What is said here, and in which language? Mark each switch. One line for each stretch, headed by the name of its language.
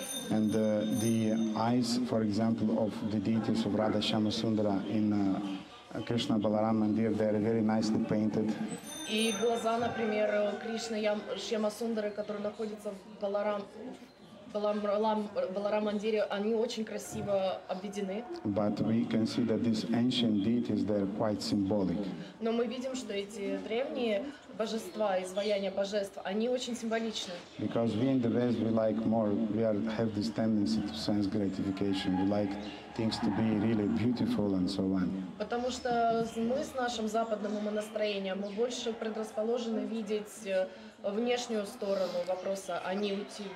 English: And the eyes, for example, of the deities of Radha Shyama Sundara in Krishna Balaram Mandir, they are very nicely painted.
Russian: И глаза, например, Кришны Шьяма Сундары, который находится в Баларам Мандире, они очень красиво обведены.
English: But we can see that these ancient deities, they are quite symbolic.
Russian: Но мы видим, что эти древние божества, изваяния божеств, они очень символичны.
English: Because we in the West, we like more, we have this tendency to sense gratification. We like things to be really beautiful and so on.
Russian: Потому что мы с нашим западным умонастроением, мы больше предрасположены видеть внешнюю сторону вопроса, а не уйти.